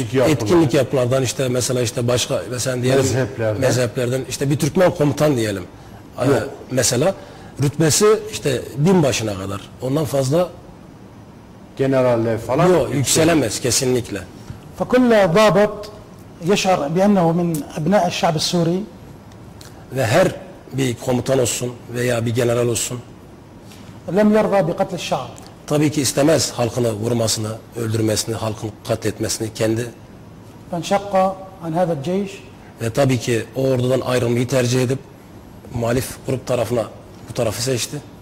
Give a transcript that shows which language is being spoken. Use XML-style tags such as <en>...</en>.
<tr>etkinlik yapılardan işte mesela işte başka mesela diyelim mezheplerden işte bir Türkmen komutan diyelim mesela rütbesi işte bin başına kadar ondan fazla generaller falan yükselemez kesinlikle.</tr> <ar>فكل ضابط يشعر بأنه من أبناء الشعب السوري</ar> <tr>ve her bir komutan olsun veya bir general olsun</tr> <ar>لم يرضى بقتل الشعب</ar> <tr>tabii ki istemez halkını vurmasını, öldürmesini, halkın katletmesini kendi</tr> <ar>فانشق عن هذا الجيش</ar> <tr>ve tabii ki o ordudan ayrılmayı tercih edip muhalif grup tarafına bu tarafı seçti.</tr>